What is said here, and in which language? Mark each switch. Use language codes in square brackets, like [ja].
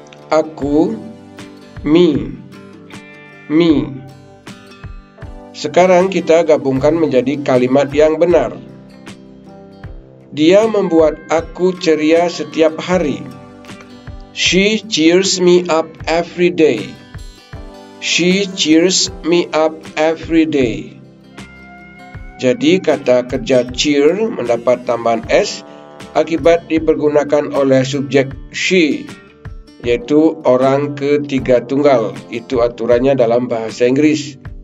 [id] Aku, me. Sekarang kita gabungkan menjadi kalimat yang benar. Dia membuat aku ceria setiap hari. [en] She cheers me up every day. She cheers me up every day. [id] Jadi kata kerja cheer mendapat tambahan S akibat dipergunakan oleh subjek she, yaitu orang ketiga tunggal. Itu aturannya dalam bahasa Inggris.